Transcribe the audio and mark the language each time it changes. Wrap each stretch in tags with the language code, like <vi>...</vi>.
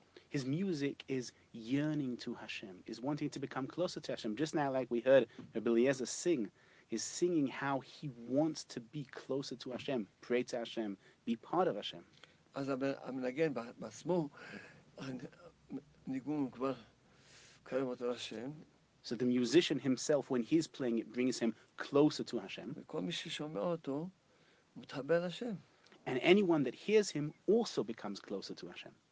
<en>His music is yearning to Hashem, is wanting to become closer to Hashem. Just now, like we heard Eliezer sing, is singing how he wants to be closer to Hashem, pray to Hashem, be part of Hashem.</en> <he>אז המנגן בעצמו, ניגון כבר קרב אותו לשם.</he> <en>So the musician himself, when he's playing, it brings him closer to Hashem.</en> <he>וכל מי ששומע אותו, מתחבר לשם.</he> <en>And anyone that hears him also becomes closer to Hashem.</en>